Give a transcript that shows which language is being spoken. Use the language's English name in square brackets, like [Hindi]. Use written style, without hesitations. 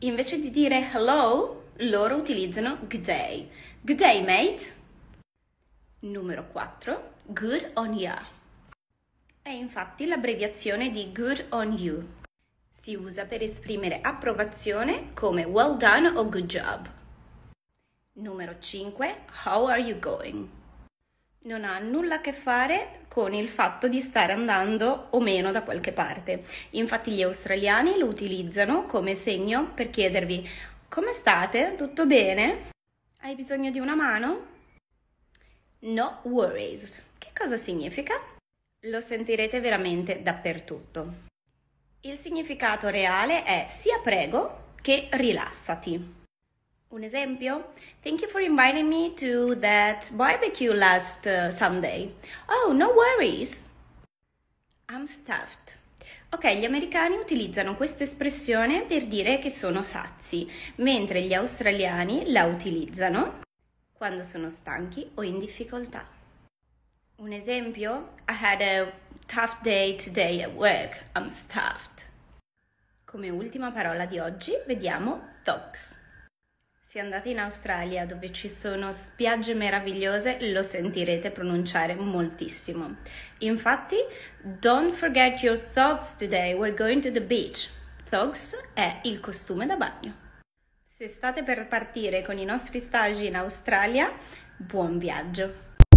[Italian] Invece di dire hello, loro utilizzano g'day. G'day, mate. Numero 4, [English] good on ya. [Italian] È infatti l'abbreviazione di [English] good on you. [Italian] Si usa per esprimere approvazione come [English] well done [Italian] o [English] good job. [Italian] Numero 5, [English] how are you going? [Italian] Non ha nulla a che fare con il fatto di stare andando o meno da qualche parte. Infatti gli australiani lo utilizzano come segno per chiedervi come state? Tutto bene? Hai bisogno di una mano? [English] No worries. [Italian] Che cosa significa? Lo sentirete veramente dappertutto. Il significato reale è sia prego che rilassati. Un esempio? [English] Thank you for inviting me to that barbecue last Sunday. Oh, no worries. I'm stuffed. [Italian] Ok, gli americani utilizzano questa espressione per dire che sono sazi, mentre gli australiani la utilizzano quando sono stanchi o in difficoltà. Un esempio? [English] I had a tough day today at work. I'm stuffed. [Italian] Come ultima parola di oggi vediamo dogs. Se andate in Australia dove ci sono spiagge meravigliose, lo sentirete pronunciare moltissimo. Infatti, [English] don't forget your togs today, we're going to the beach. [Italian] Togs è il costume da bagno. Se state per partire con i nostri stage in Australia, buon viaggio!